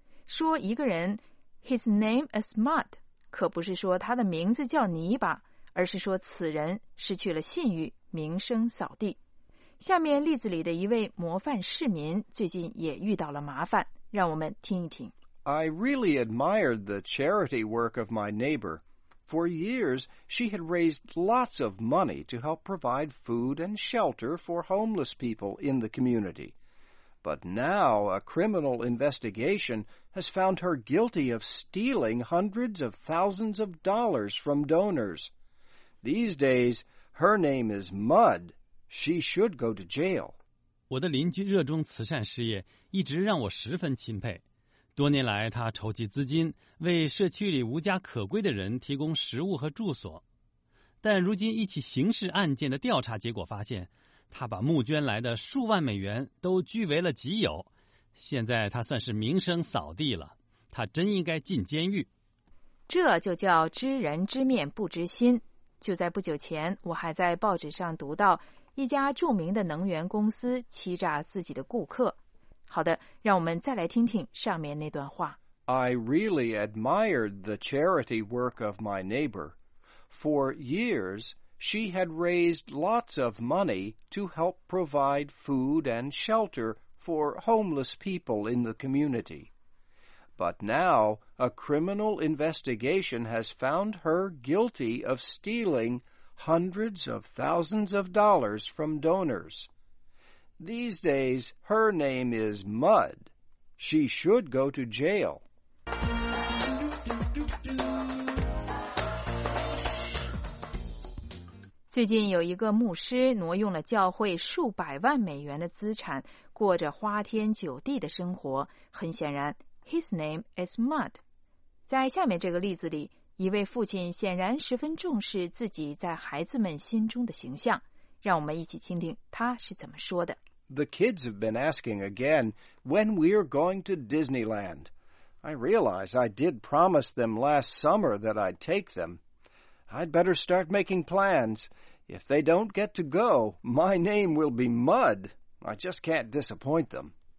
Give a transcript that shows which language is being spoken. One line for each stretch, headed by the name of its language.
Chinese: 说一个人 ,
English: his name is mud,
Chinese: 可不是说他的名字叫泥巴，而是说此人失去了信誉，名声扫地。下面例子里的一位模范市民最近也遇到了麻烦，让我们听一听。
English: I really admired the charity work of my neighbor. For years, she had raised lots of money to help provide food and shelter for homeless people in the community. But now, a criminal investigation has found her guilty of stealing hundreds of thousands of dollars from donors. These days, her name is Mud. She should go to jail.
Chinese: 我的邻居热衷慈善事业，一直让我十分钦佩。多年来，他筹集资金，为社区里无家可归的人提供食物和住所。但如今一起刑事案件的调查结果发现，他把募捐来的数万美元都据为了己有。现在他算是名声扫地了，他真应该进监狱。这就叫知人知面不知心。就在不久前，我还在报纸上读到一家著名的能源公司欺诈自己的顾客。好的，让我们再来听听上面那段话。
English: I really admired the charity work of my neighbor. For years, she had raised lots of money to help provide food and shelter for homeless people in the community. But now, a criminal investigation has found her guilty of stealing hundreds of thousands of dollars from donors. These days, her name is Mud. She should go to jail.
Chinese: 最近有一个牧师挪用了教会数百万美元的资产，过着花天酒地的生活。很显然
English: ，his name is Mud。
Chinese: 在下面这个例子里，一位父亲显然十分重视自己在孩子们心中的形象。让我们一起听听他是怎么说的。
English: The kids have been asking again when we are going to Disneyland. I realize I did promise them last summer that I'd take them. I'd better start making plans. If they don't get to go, my name will be Mud. I just can't disappoint them.